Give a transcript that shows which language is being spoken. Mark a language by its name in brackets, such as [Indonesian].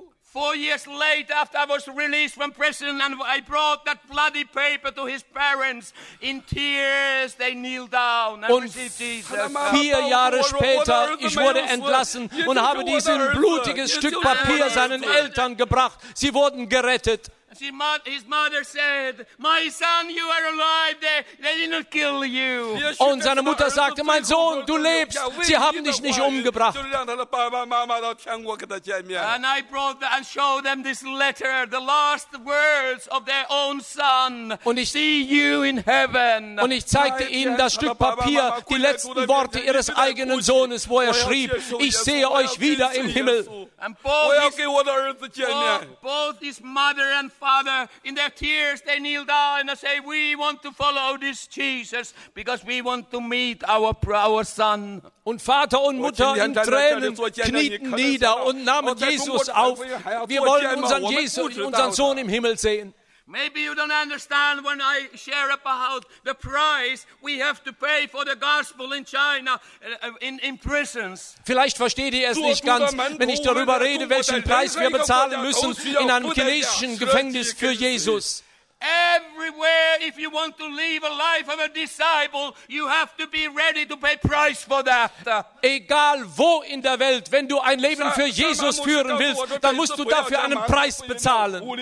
[English] 4 years later, after I was released from prison, and I brought that bloody paper to his parents, in tears they kneeled down and received Jesus. [German] 4 Jahre später, ich wurde entlassen und habe dieses blutiges Stück Papier seinen Eltern gebracht. Sie wurden gerettet. [English] His mother said, "My son, you are alive. They did not kill you." [German] Und seine Mutter sagte, "Mein Sohn, du lebst. Sie haben dich nicht umgebracht." [English] And I brought them and showed them this letter, the last words of their own son. See you in heaven. [German] Und ich zeigte ihnen das Stück Papier, die letzten Worte ihres eigenen Sohnes, wo er schrieb, "Ich sehe euch wieder im Himmel." [English] And both his mother and father, in their tears, they kneel down and say, "We want to follow this Jesus because we want to meet our son." [German] Und Vater und Mutter in Tränen knieten nieder und nahmen Jesus auf. Wir wollen unseren Jesus, unseren Sohn im Himmel sehen. [English] Maybe you don't understand when I share about the price we have to pay for the gospel in China in prisons. [German] Vielleicht versteht ihr es nicht ganz, wenn ich darüber rede, welchen Preis wir bezahlen müssen in einem chinesischen Gefängnis für Jesus. [English] Everywhere, if you want to live a life of a disciple, you have to be ready to pay price for that. [German] Egal wo in der Welt, wenn du ein Leben für Jesus führen willst, dann musst du dafür einen Preis bezahlen.